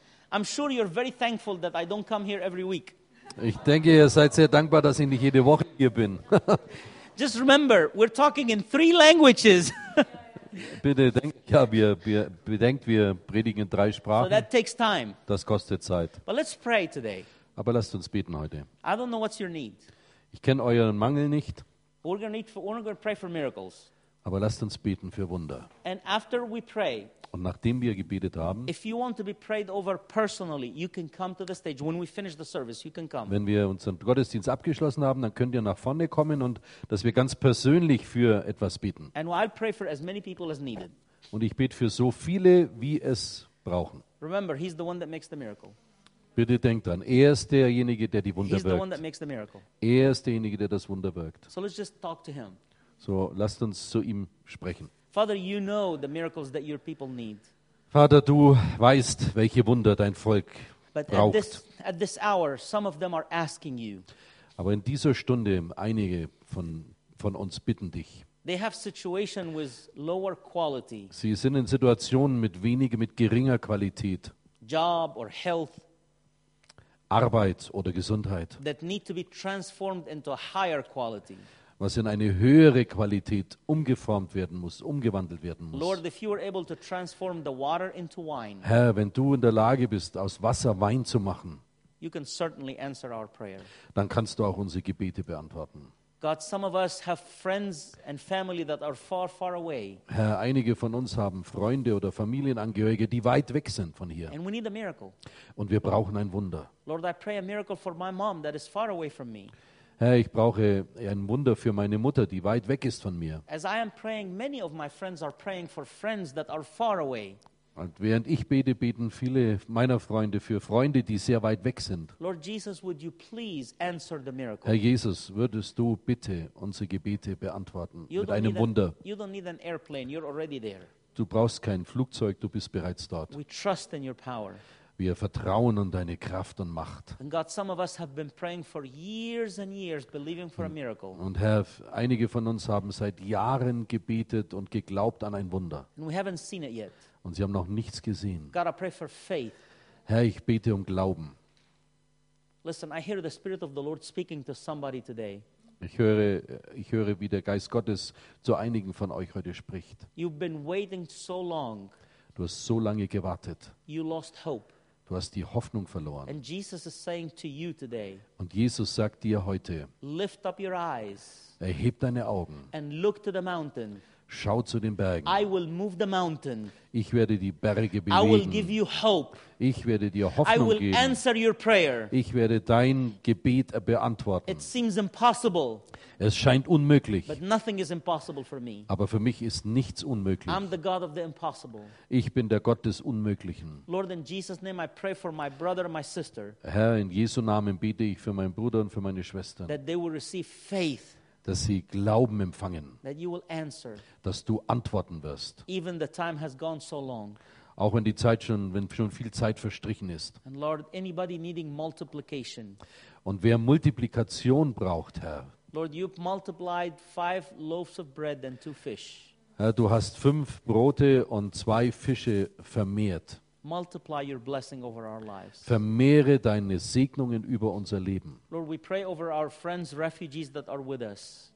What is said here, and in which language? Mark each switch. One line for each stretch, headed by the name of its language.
English: I'm sure you're very thankful that I don't come here every week.
German: Ich denke, ihr seid sehr dankbar, dass ich nicht jede Woche hier bin.
English: Just remember, we're talking in 3 languages.
German: Bitte denkt, ja, wir bedenkt, wir predigen in 3 Sprachen.
English: So that takes time.
German: Das kostet Zeit.
English: But let's pray today.
German: Aber lasst uns beten heute.
English: I don't know what's your need.
German: Ich kenne euren Mangel nicht.
English: We're gonna pray for miracles.
German: Aber lasst uns beten für Wunder.
English: And after we pray,
German: und nachdem wir gebetet haben,
English: if you want to be prayed over personally, you can come to the stage. When we finish the service, you can come.
German: Wenn wir unseren Gottesdienst abgeschlossen haben, dann könnt ihr nach vorne kommen und dass wir ganz persönlich für etwas beten.
English: And I'll pray for as many people as needed.
German: Und ich bete für so viele, wie es brauchen.
English: Remember, he's the one that makes the miracle.
German: Bitte denkt dran, er ist derjenige, der die Wunder wirkt.
English: He's the one that makes the miracle.
German: Er ist derjenige, der das Wunder wirkt.
English: So let's just talk to him.
German: So lasst uns zu ihm sprechen.
English: Father, you know the miracles that your people need.
German: Vater, du weißt, welche Wunder dein Volk braucht.
English: But at this hour, some of them are asking you.
German: Aber in dieser Stunde einige von uns bitten dich.
English: They have situation with lower quality.
German: Sie sind in Situationen mit geringer Qualität.
English: Job or health.
German: Arbeit oder Gesundheit.
English: That need to be transformed into a higher quality.
German: Was in eine höhere Qualität umgeformt werden muss, umgewandelt werden muss.
English: Lord, if you are able to transform the water into wine,
German: Herr, wenn du in der Lage bist, aus Wasser Wein zu machen,
English: you can certainly answer our prayer.
German: Dann kannst du auch unsere Gebete beantworten.
English: God, some of us have friends and family that are far, far away.
German: Herr, einige von uns haben Freunde oder Familienangehörige, die weit weg sind von hier.
English: And we need a miracle.
German: Und wir brauchen ein Wunder.
English: Lord, I pray a miracle for my mom that is far away from me.
German: Herr, ich brauche ein Wunder für meine Mutter, die weit weg ist von mir.
English: As I am praying, many of my friends are praying for friends that are far away.
German: Und während ich bete, beten viele meiner Freunde für Freunde, die sehr weit weg sind.
English: Lord Jesus, would you please answer the miracle?
German: Herr Jesus, würdest du bitte unsere Gebete beantworten mit einem Wunder?
English: You don't need an airplane, you're already there.
German: Du brauchst kein Flugzeug, du bist bereits dort.
English: We trust in your power.
German: Wir vertrauen an deine Kraft und Macht.
English: And God, some of us have been praying for years and years, believing for a miracle.
German: Und Herr, einige von uns haben seit Jahren gebetet und geglaubt an ein Wunder.
English: And we haven't seen it yet.
German: Und sie haben noch nichts gesehen.
English: God, I pray for faith.
German: Herr, ich bete um Glauben.
English: Listen, I hear the Spirit of the Lord speaking to somebody today.
German: Ich höre, wie der Geist Gottes zu einigen von euch heute spricht.
English: You've been waiting so long.
German: Du hast so lange gewartet.
English: You lost hope.
German: Du hast die Hoffnung verloren.
English: And Jesus is saying to you today,
German: und Jesus sagt dir heute,
English: lift up your eyes,
German: erheb deine Augen
English: and look to the mountain.
German: Schau zu den Bergen.
English: I will move the mountain.
German: Ich werde die Berge bewegen.
English: I will give you hope.
German: Ich werde dir Hoffnung
English: I will
German: geben.
English: Answer your prayer.
German: Ich werde dein Gebet beantworten.
English: It seems impossible.
German: Es scheint unmöglich.
English: But nothing is impossible for me.
German: Aber für mich ist nichts unmöglich.
English: I'm the God of the impossible.
German: Ich bin der Gott des Unmöglichen.
English: Lord, in Jesus' name I pray for my brother and my sister.
German: Herr, in Jesu Namen bete ich für meinen Bruder und für meine Schwester.
English: That they will receive faith.
German: Dass sie Glauben empfangen,
English: that you will answer,
German: dass du antworten wirst,
English: even the time has gone so long.
German: Auch wenn die Zeit schon, wenn schon viel Zeit verstrichen ist.
English: And Lord, anybody needing multiplication,
German: und wer Multiplikation braucht, Herr,
English: Lord, you've multiplied 5 loaves of bread and 2 fish.
German: Herr, du hast 5 Brote und 2 Fische vermehrt.
English: Multiply your blessing over our lives.
German: Vermehre deine Segnungen über unser Leben.
English: Lord, we pray over our friends, refugees that are with us.